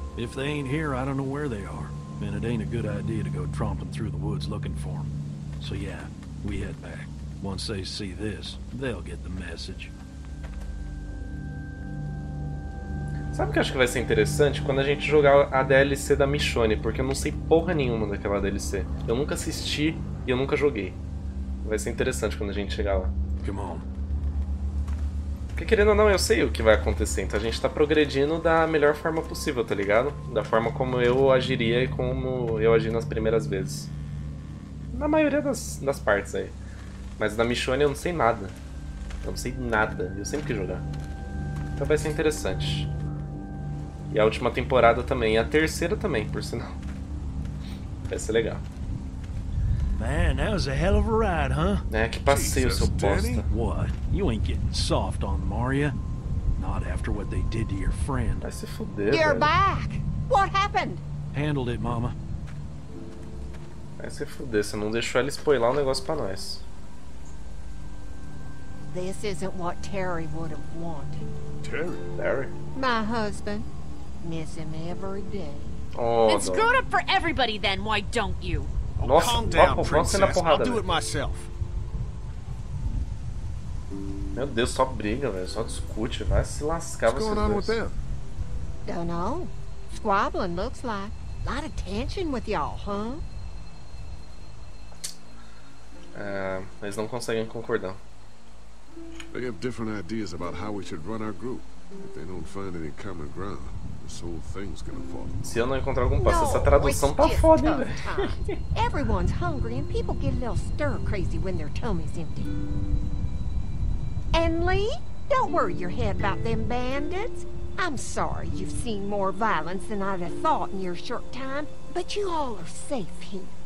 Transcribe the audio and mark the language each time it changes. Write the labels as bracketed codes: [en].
[en] If they ain't here, I don't know where they are. And it ain't a good idea to go tromping through the woods looking for them. So yeah, we head back. Once they see this, they'll get the message. [pt] Sabe o que eu acho que vai ser interessante? Quando a gente jogar a DLC da Michonne, porque eu não sei porra nenhuma daquela DLC. Eu nunca assisti e eu nunca joguei. Vai ser interessante quando a gente chegar lá. [en] Come on. [pt] Porque querendo ou não, eu sei o que vai acontecer, então a gente tá progredindo da melhor forma possível, tá ligado? Da forma como eu agiria e como eu agi nas primeiras vezes. Na maioria das partes aí. Mas na Michonne eu não sei nada. Eu não sei nada, eu sempre quis jogar. Então vai ser interessante. E a última temporada também, e a terceira também, por sinal. Vai ser legal. [en] Man, that was a hell of a ride, huh? [pt] É, que passeio, seu bosta. [en] What? You ain't getting soft on them, are ya? Not after what they did to your friend. [pt] Vai se fuder, [en] you're back! What happened? Handled it, mama. [pt] Vai se fuder, você não deixou ela spoilar um negócio pra nós. [en] This isn't what Terry would have wanted. Terry? Terry? My husband. Miss him every day. Oh, then screw it up for everybody then, why don't you? Nossa, calm down, princess. I'll do it myself. [pt] Meu Deus, só briga, velho. Só discute. Vai se lascar, você. [en] What's going on with them? Don't know. Squabbling, looks like. A lot of tension with y'all, huh? [pt] Eles não conseguem concordar. [en] They have different ideas about how we should run our group. If they don't find any common ground, this whole thing's gonna fall. [pt] Se eu não encontrar algum passo, essa tradução tá foda, velho. [en] Everyone's hungry and people get a little stir crazy when their tummy's empty. And Lee, don't worry your head about them bandits. I'm sorry you've seen more violence than I'd have thought in your short time, but you all are safe here.